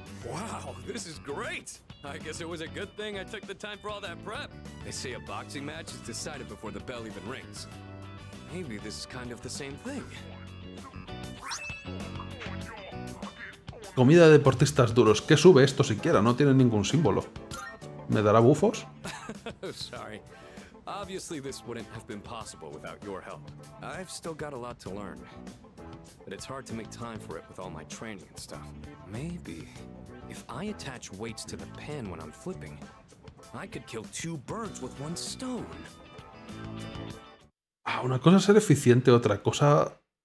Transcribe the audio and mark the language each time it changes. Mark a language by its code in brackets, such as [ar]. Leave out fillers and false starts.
[en] Wow, this is great! I guess it was a good thing I took the time for all that prep. They say a boxing match is decided before the bell even rings. Maybe this is kind of the same thing. [es] Comida de deportistas duros. ¿Qué sube esto siquiera? No tiene ningún símbolo. ¿Me dará bufos? [en] Sorry. Obviously, this wouldn't have been possible without your help. I've still got a lot to learn, but it's hard to make time for it with all my training and stuff. Maybe if I attach weights to the pan when I'm flipping, I could kill two birds with one stone. [es] Ah, una cosa es ser eficiente, otra cosa...